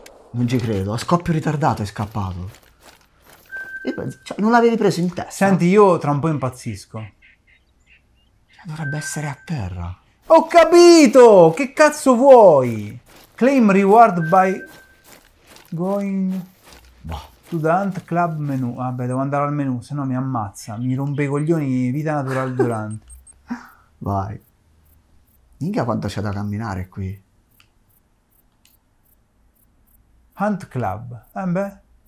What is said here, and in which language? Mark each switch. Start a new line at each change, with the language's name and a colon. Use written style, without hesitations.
Italian: Non ci credo, a scoppio ritardato è scappato. Cioè, non l'avevi preso in testa? Senti, io tra un po' impazzisco. Cioè, dovrebbe essere a terra. Ho capito! Che cazzo vuoi?
English: Claim reward by going to the Hunt Club menu.
Italian: Vabbè, devo andare al menu, sennò mi ammazza. Mi rompe i coglioni vita natural durante. Vai. Minchia quanto c'è da camminare qui. Hunt Club. Beh.